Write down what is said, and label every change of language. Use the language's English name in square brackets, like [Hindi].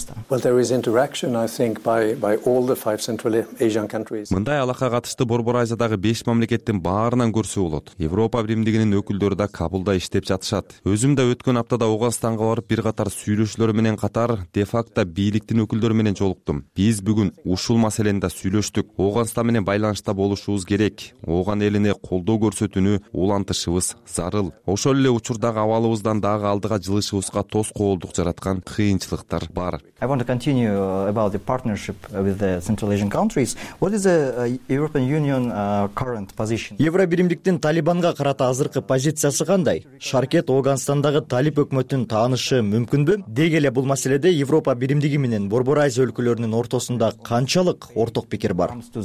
[English] Well, there is interaction I think by all the five Central Asian countries. [Kyrgyz] Мындай алака катышты Борбор Азиядагы 5 мамлекеттин баарынан көрсөк болот. Европа биримдиги өкүлдөрү да Кабулда иштеп жатышат. Өзүм да өткөн аптада Ооганстанга барып, бир катар сүйлөшүүлөр менен катар де-факто бийликтин өкүлдөрү менен жолуктум. Биз бүгүн ушул маселени да сүйлөштүк. Ооганстан менен байланышта болушубуз керек. Ооган элине колдоо көрсөтүүнү улантышыбыз зарыл. Ошол эле учурдагы абалыбыздан дагы алдыга жылышыбызга тоскоолдук жараткан кыйынчылыктар бар. [English] I want to continue about the partnership with the Central Asian countries. What is the European Union current position? [Kyrgyz] Евро биримдиктин Талибанга карата азыркы позициясы кандай? Шаркет Ооганстандагы Талип өкмөтүн таанышы мүмкүнбү? Деги эле бул маселеде Европа биримдиги менен Борбор Азия өлкөлөрүнүн ортосунда канчалык орток пикир бар?